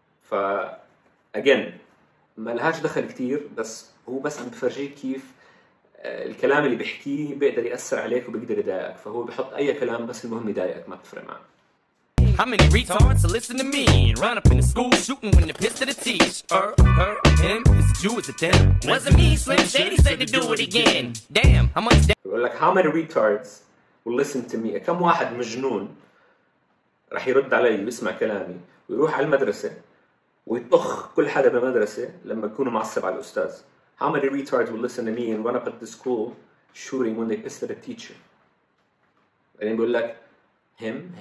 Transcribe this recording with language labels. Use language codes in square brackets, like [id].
[ar] فا أجين ما لهاش دخل كتير، بس هو بس عم بفرجيك كيف الكلام اللي بيحكيه بيقدر يأثر عليك وبيقدر يضايقك. فهو بيحط أي كلام بس المهم يضايقك، ما بتفرق معه. [en] How many retards to listen to me? Run up in the school shooting when they pissed at the teacher. Her, him, is it you, is it them? Wasn't me, Slim Shady said to do it again. Damn, how much damn. [ar] بقول لك [en] how many retards will listen to me? [ar] كم واحد مجنون رح يرد علي ويسمع كلامي ويروح على المدرسة ويطخ كل حدا بالمدرسة لما يكونوا معصب على الأستاذ؟ [en] How many retards will listen to me and run up at the school shooting when they pissed at the teacher? [ar] بعدين بقول لك [en] him.